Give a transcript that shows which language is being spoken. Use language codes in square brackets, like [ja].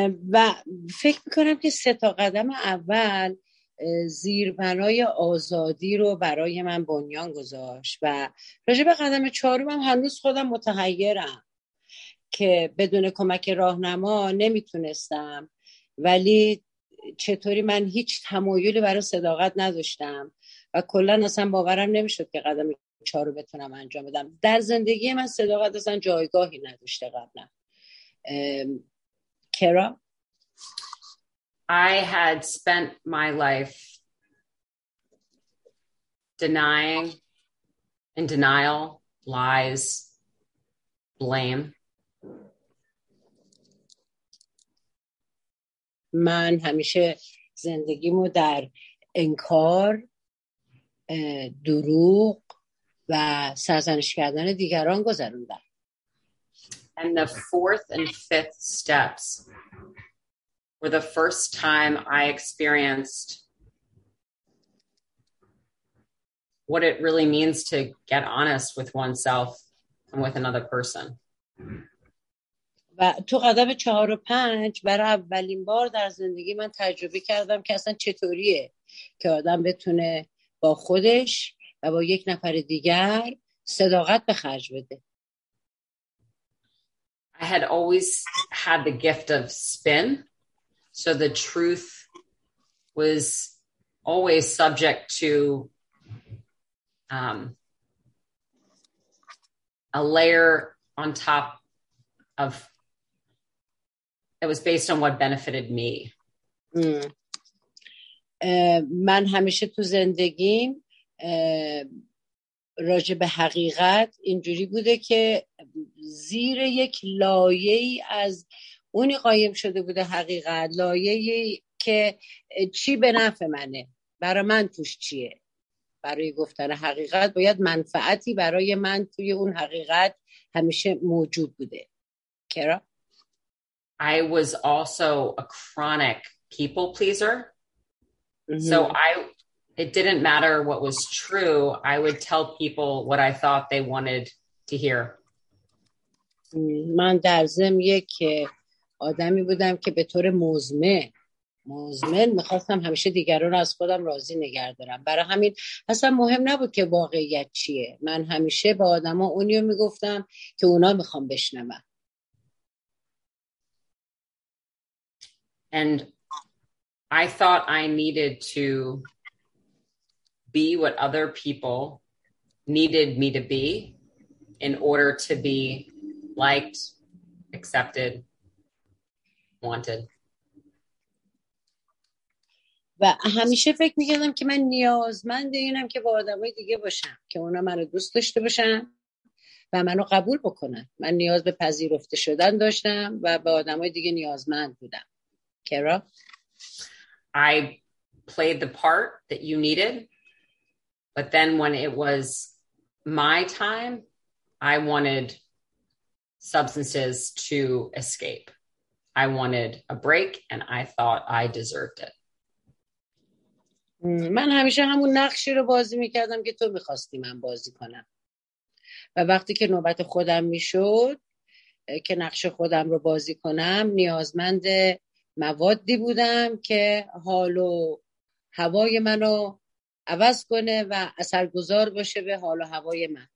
[fa] و فکر میکنم که سه تا قدم اول زیربنای آزادی رو برای من بنیان گذاشت و راجع به قدم چهارم هنوز خودم متحیرم که بدون کمک راهنما نمیتونستم، ولی چطوری من هیچ تمایلی برای صداقت نداشتم و کلن اصلا باورم نمیشد که قدم چهارو بتونم انجام بدم. در زندگی من صداقت اصلا جایگاهی نداشته قبلا. کرا؟ [en] I had spent my life denying, in denial, lies, blame. [fa] من همیشه زندگیمو در انکار، دروغ و سرزنش کردن دیگران گذروندم. [en] And the fourth and fifth steps were the first time I experienced what it really means to get honest with oneself and with another person. [fa] و و تو قدم 4 و 5 برای اولین بار در زندگی من تجربه کردم که اصلا چطوریه که آدم بتونه با خودش و با یک نفر دیگر صداقت به خرج بده. [en] I had always had the gift of spin, so the truth was always subject to a layer on top of it was based on what benefited me. [fa] من همیشه تو زندگیم راجع به حقیقت اینجوری بوده که زیر یک لایه‌ای از اونی قایم شده بوده حقیقت، لایه‌ای که چی به نفع منه، برای من توش چیه، برای گفتن حقیقت باید منفعتی برای من توی اون حقیقت همیشه موجود بوده. کرا؟ [en] I was also a chronic people pleaser. So it didn't matter what was true. I would tell people what I thought they wanted to hear. [fa] من در ضمن یک آدمی بودم که به طور مزمن میخواستم همیشه دیگران از خودم راضی نگه دارم. برای همین اصلا مهم نبود که واقعیت چیه. من همیشه با آدما اونی رو میگفتم که اونا میخوان بشنون. [en] And I thought I needed to be what other people needed me to be in order to be liked, accepted, wanted. [fa] و همیشه فکر میکردم که من نیازمند اینم که با آدمای دیگه باشم که اونا منو دوست داشته باشن و منو قبول بکنن. من نیاز به پذیرفته شدن داشتم و به آدمای دیگه نیازمند بودم. کرا؟ [en] I played the part that you needed, but then when it was my time, I wanted substances to escape. I wanted a break, and I thought I deserved it. [fa] من همیشه همون نقشی رو بازی میکردم که تو میخواستی من بازی کنم. و وقتی که نوبت خودم میشد که نقش خودم رو بازی کنم، نیازمند موادی بودم که حال و هوای منو عوض کنه و اثرگذار باشه به حال و هوای من.